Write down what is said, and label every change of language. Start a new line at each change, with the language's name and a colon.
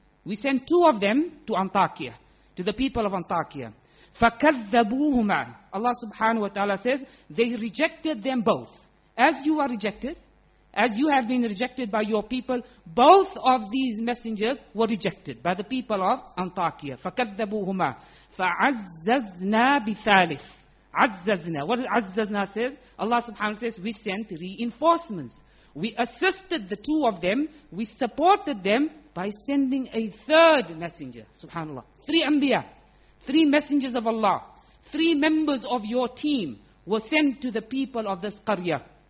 English: We sent two of them to Antakya, to the people of Antakya.
Arabic: فَكَذَّبُوهُمَا
English: Allah subhanahu wa ta'ala says, they rejected them both. As you are rejected, as you have been rejected by your people, both of these messengers were rejected by the people of Antakya.
Arabic: فَكَذَّبُوهُمَا فَعَزَّزْنَا بِثَالِثِ عَزَّزْنَا
English: What does
Arabic: عَزَّزْنَا say?
English: Allah subhanahu wa ta'ala says, we sent reinforcements. We assisted the two of them. We supported them by sending a third messenger. Subhanallah. Three anbiya. Three messengers of Allah. Three members of your team were sent to the people of this qarya.